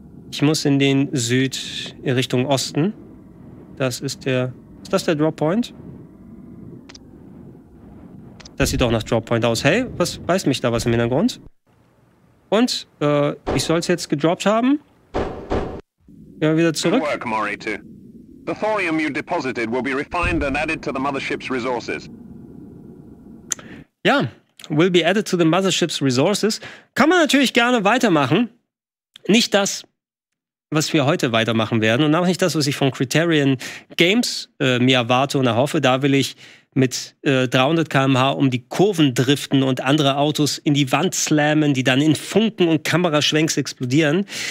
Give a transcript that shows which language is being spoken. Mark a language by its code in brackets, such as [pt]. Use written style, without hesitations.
[de] Ich muss in den Süd, in Richtung Osten. Das ist der. Ist das der Droppoint? Das sieht auch nach Droppoint aus. Hey, was weiß mich da was im Hintergrund? Und, ich soll's jetzt gedroppt haben. Ja, wieder zurück. [en] Good work, Mori-2. The thorium you deposited will be refined and added to the mothership's resources. Ja, will be added to the mothership's resources. [de] Kann man natürlich gerne weitermachen. Nicht das, was wir heute weitermachen werden. Und auch nicht das, was ich von Criterion Games mir erwarte und erhoffe. Da will ich mit 300 km/h um die Kurven driften und andere Autos in die Wand slammen, die dann in Funken und Kameraschwenks explodieren.